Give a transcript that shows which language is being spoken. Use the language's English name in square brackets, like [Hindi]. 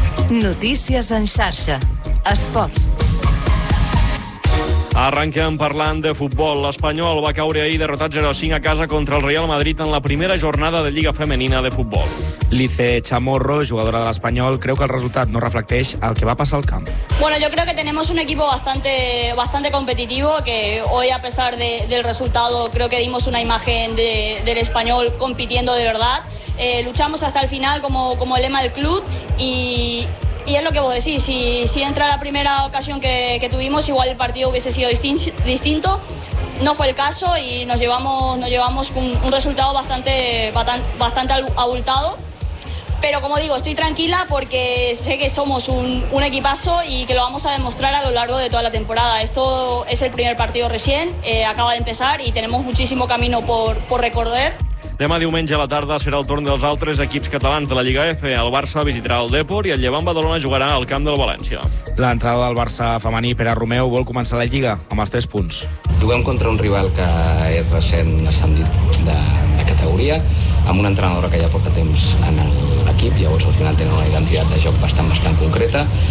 [Catalan] Notícies en xarxa. Esports. Arrenquem parlant de futbol. L'Espanyol va caure ahir derrotat 0-5 a casa contra el Real Madrid en la primera jornada de Lliga Femenina de Futbol. Lice Chamorro, jugadora de l'Espanyol, creu que el resultat no reflecteix el que va passar al camp. [Spanish] Bueno, yo creo que tenemos un equipo bastante competitivo, que hoy, a pesar del resultado, creo que dimos una imagen del Espanyol compitiendo de verdad. Luchamos hasta el final como el lema del club y es lo que vos decís, si entra la primera ocasión que tuvimos, igual el partido hubiese sido distinto. No fue el caso y nos llevamos un resultado bastante abultado. Pero como digo, estoy tranquila porque sé que somos un equipazo y que lo vamos a demostrar a lo largo de toda la temporada. Esto es el primer partido recién, acaba de empezar y tenemos muchísimo camino por recorrer. [Catalan] Demà diumenge a la tarda serà el torn dels altres equips catalans de la Lliga F. El Barça visitarà el Depor i el Llevant Badalona jugarà al camp del València. L'entrada del Barça femení Pere Romeu vol començar la Lliga amb els 3 punts. Juguem contra un rival que és recent ascendit de categoria, amb una entrenadora que ja porta temps en l'equip, llavors al final tenen una identitat de joc bastant concreta.